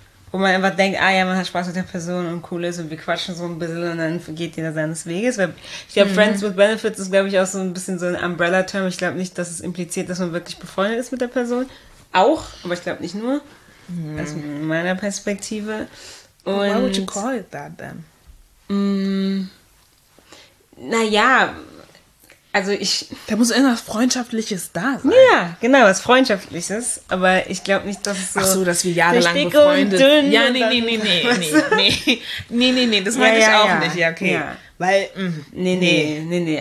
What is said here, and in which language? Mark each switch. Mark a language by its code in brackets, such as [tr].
[de] Wo man einfach denkt, ah ja, man hat Spaß mit der Person und cool ist und wir quatschen so ein bisschen und dann geht jeder seines Weges. Weil ich glaube, Friends with Benefits ist, glaube ich, auch so ein bisschen so ein Umbrella-Term. Ich glaube nicht, dass es impliziert, dass man wirklich befreundet ist mit der Person. Auch, aber ich glaube nicht nur. Aus meiner Perspektive. Und, [en] why would you call it that then? [de] Naja, also ich... Da muss irgendwas Freundschaftliches da sein. Ja, genau, was Freundschaftliches. Aber ich glaube nicht, dass es so... Ach so, dass wir jahrelang befreundet... Dünn, ja, nee, das meinte ich auch nicht. Ja, okay. Ja. Weil, Nee.